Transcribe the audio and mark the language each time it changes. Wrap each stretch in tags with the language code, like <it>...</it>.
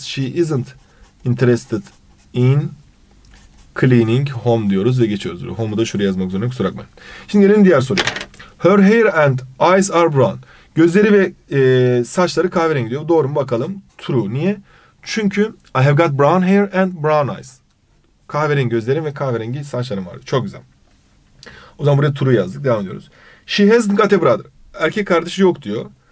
<en>She isn't interested in cleaning home</en> <tr>diyoruz ve geçiyoruz. Home'u da şuraya yazmak zorunda, kusura bakmayın. Şimdi gelin diğer soruya.</tr> <en>Her hair and eyes are brown.</en> <tr>Gözleri ve saçları kahverengi diyor. Doğru mu bakalım? True. Niye? Çünkü</tr> <en>I have got brown hair and brown eyes.</en> <tr>Kahverengi gözlerim ve kahverengi saçlarım var. Çok güzel. O zaman buraya true yazdık. Devam ediyoruz.</tr> <en>She hasn't got a brother.</en> <tr>Erkek kardeşi yok diyor.</tr>